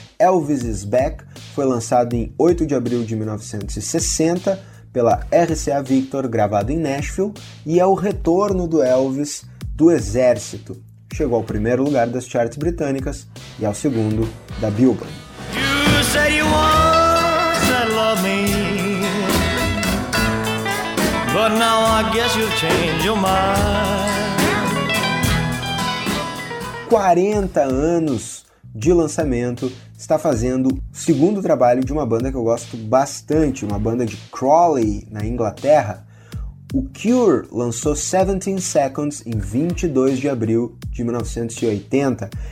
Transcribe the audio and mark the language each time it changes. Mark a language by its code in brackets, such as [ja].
[pt] Elvis is Back foi lançado em 8 de abril de 1960 pela RCA Victor, gravado em Nashville, e é o retorno do Elvis do exército. Chegou ao primeiro lugar das charts britânicas e ao segundo da Billboard. [en] You said you once had loved me, but now I guess you've changed your mind. [pt] 40 anos de lançamento está fazendo o segundo trabalho de uma banda que eu gosto bastante, uma banda de Crawley, na Inglaterra. O Cure lançou 17 Seconds em 22 de abril de 1980.